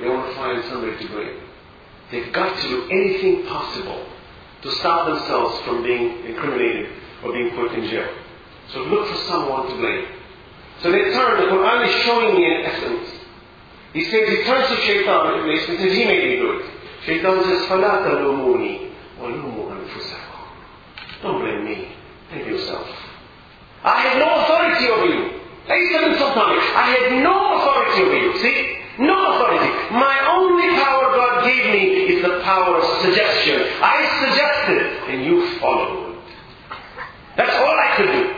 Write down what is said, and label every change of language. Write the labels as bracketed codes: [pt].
[en] They want to find somebody to blame. They've got to do anything possible to stop themselves from being incriminated or being put in jail. So look for someone to blame. So they turn, the Quran is showing me an essence. He says, he turns to Shaitan and he says, he made me do it. Shaitan says, [ar] فَلَا تَلُومُونِي وَلُومُوا أَنفُسَكُمْ. [en] Don't blame me. Blame yourself. I have no authority over you. Even sometimes, I have no authority over you. See? No authority. My only power God gave me is the power of suggestion. I suggested and you followed. That's all I could do.